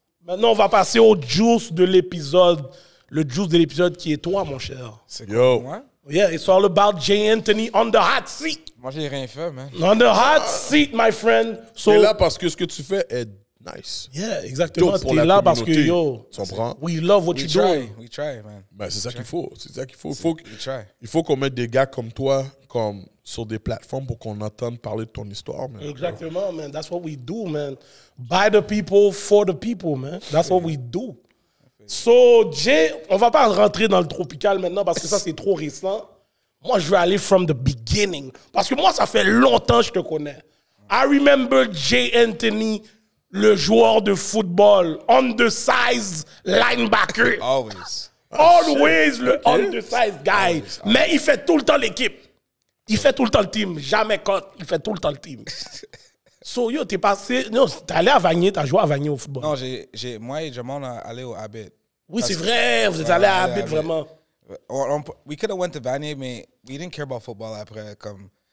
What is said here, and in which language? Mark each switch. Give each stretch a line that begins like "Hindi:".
French: Maintenant, on va passer au juice de l'épisode. Le juice de l'épisode qui est toi, mon cher. C'est quoi, cool, moi?
English: Yeah, it's all about Jae Anthony on the hot seat.
French: Moi, j'ai rien fait, man.
English: On the hot seat, my friend.
French: So, t'es là parce que ce que tu fais est nice. Yeah, exactement. T'es là communauté. Parce que, yo, t'en prends.
English: We love what you're doing. We try, man.
French: Ben, c'est
English: we
French: ça
English: try.
French: Qu'il faut. C'est ça qu'il faut. Faut que,
English: we try.
French: Il faut qu'on mette des gars comme toi comme sur des plateformes pour qu'on entende parler de ton histoire, man.
English: Exactement, man. That's what we do, man. By the people, for the people, man. That's what we do.
French: So, Jay, on va pas rentrer dans le tropical maintenant parce que ça, c'est trop récent. Moi, je vais aller
English: from the beginning.
French: Parce que moi, ça fait longtemps que je te connais.
English: I remember Jae Anthony,
French: le joueur de football,
English: undersized linebacker. Always.
French: Always le okay.
English: Undersized guy. Always.
French: Mais il fait tout le temps l'équipe. Il fait tout le temps le team. Jamais cut. Il fait tout le temps le team. So, yo, t'es passé... Non, t'es allé à Vanier, t'as joué à Vanier au football. Non, j'ai moi et Jamon a allé au Habit. Oui, c'est vrai, vous êtes allé à Habit, vraiment.
English: We could have went to Vanier, mais we didn't care about football après, comme...